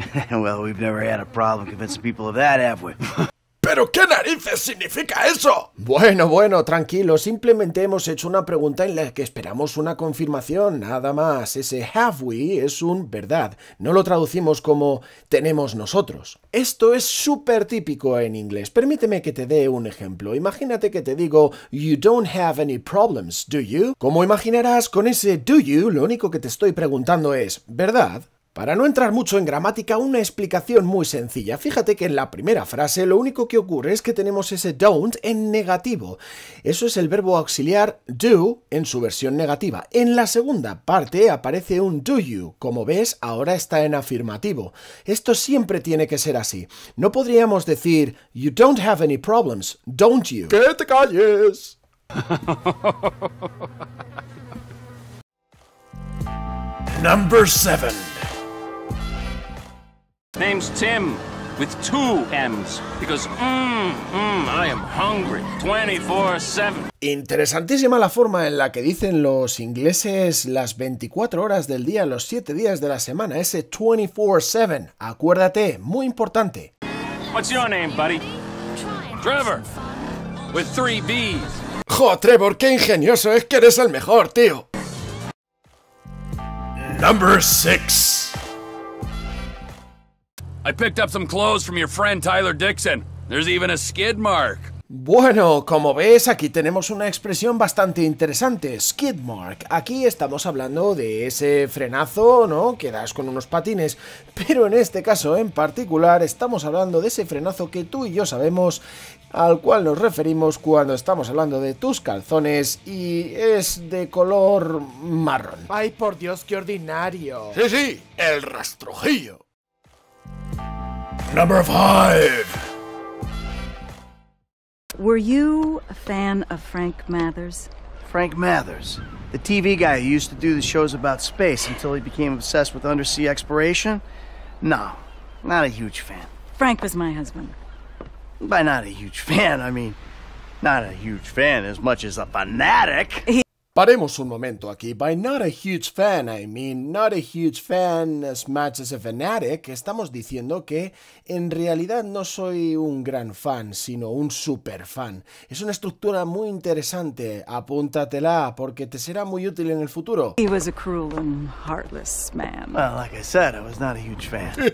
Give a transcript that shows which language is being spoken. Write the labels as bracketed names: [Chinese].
[English] Well, we've never had a problem convincing people of that, have we? [Spanish] ¿Pero qué narices significa eso? Bueno, bueno, tranquilo. Simplemente hemos hecho una pregunta en la que esperamos una confirmación, nada más. Ese [English] have we [Spanish] es un verdad. No lo traducimos como tenemos nosotros. Esto es súper típico en inglés. Permíteme que te dé un ejemplo. Imagínate que te digo [English] you don't have any problems, do you? [Spanish] Como imaginarás, con ese [English] do you, [Spanish] lo único que te estoy preguntando es ¿verdad? Para no entrar mucho en gramática, una explicación muy sencilla. Fíjate que en la primera frase lo único que ocurre es que tenemos ese don't en negativo. Eso es el verbo auxiliar do en su versión negativa. En la segunda parte aparece un [English] do you. [Spanish] Como ves, ahora está en afirmativo. Esto siempre tiene que ser así. No podríamos decir [English] you don't have any problems, don't you? [Spanish] ¡Que te calles! [English] Number 7. Name's Tim, with two M's, because I am hungry 24/7. [Spanish] Interesantísima la forma en la que dicen los ingleses las 24 horas del día, los 7 días de la semana, ese 24/7. Acuérdate, muy importante. [English] What's your name, buddy? Trevor, with three B's. [Spanish] ¡Jo, Trevor, qué ingenioso! Es que eres el mejor, tío. [English] Number 6. I picked up some clothes from your friend Tyler Dixon. There's even a skid mark. [Spanish] Bueno, como ves, aquí tenemos una expresión bastante interesante, skid mark. Aquí estamos hablando de ese frenazo, ¿no?, que das con unos patines. Pero en este caso en particular estamos hablando de ese frenazo que tú y yo sabemos al cual nos referimos cuando estamos hablando de tus calzones y es de color marrón. ¡Ay, por Dios, qué ordinario! Sí, sí, el rastrojillo. [English] Number 5. Were you a fan of Frank Mathers? Frank Mathers, the TV guy who used to do the shows about space until he became obsessed with undersea exploration? No, not a huge fan. Frank was my husband. By not a huge fan, I mean, not a huge fan as much as a fanatic. [Spanish] Paremos un momento aquí. [English] By not a huge fan, I mean not a huge fan as much as a fanatic. [Spanish] Estamos diciendo que en realidad no soy un gran fan, sino un super fan. Es una estructura muy interesante. Apúntatela porque te será muy útil en el futuro. [English] He was a cruel and heartless man. Well, like I said, I was not a huge fan.